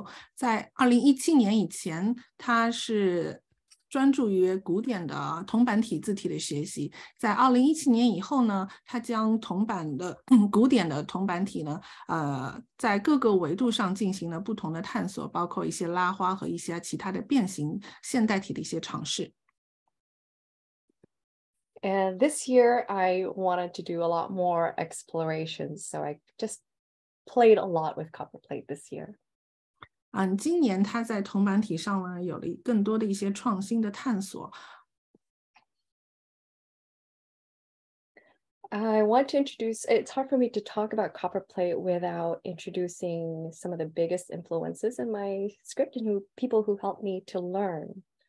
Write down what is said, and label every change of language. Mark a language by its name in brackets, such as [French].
[Chinese] 妮娜老师从2015年开始接触英文书法，然后她觉得每一年呢，她都有一些小小的成就。在2017年以前，她是 专注于古典的铜版体字体的学习。在2017年以后呢，他将铜版的古典的铜版体呢，在各个维度上进行了不同的探索，包括一些拉花和一些其他的变形现代体的一些尝试。 [English] And this year I wanted to do a lot more explorations, so I just played a lot with copper plate this year. [Chinese] 今年他在铜板体上呢，有了更多的一些创新的探索。 [English] I want to introduce, it's hard for me to talk about copper plate without introducing some of the biggest influences in my script and who, people who helped me to learn.